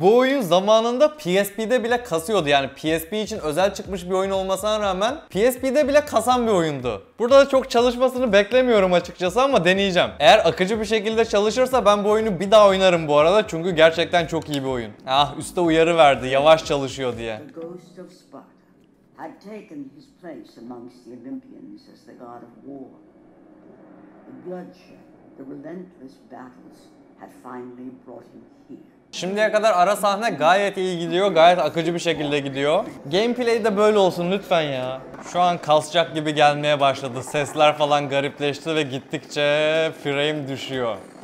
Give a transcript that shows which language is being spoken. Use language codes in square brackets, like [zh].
[tr] Bu oyun zamanında PSP'de bile kasıyordu. Yani PSP için özel çıkmış bir oyun olmasına rağmen PSP'de bile kasan bir oyundu. Burada da çok çalışmasını beklemiyorum açıkçası ama deneyeceğim. Eğer akıcı bir şekilde çalışırsa ben bu oyunu bir daha oynarım bu arada. Çünkü gerçekten çok iyi bir oyun. Ah, üste uyarı verdi, yavaş çalışıyor diye. [en] The ghost of Sparta had taken his place amongst the Olympians as the god of war. The relentless battles had finally brought him here. [tr] Şimdiye kadar ara sahne gayet iyi gidiyor, gayet akıcı bir şekilde gidiyor. Gameplay de böyle olsun lütfen ya. Şu an kasacak gibi gelmeye başladı. Sesler falan garipleşti ve gittikçe frame düşüyor.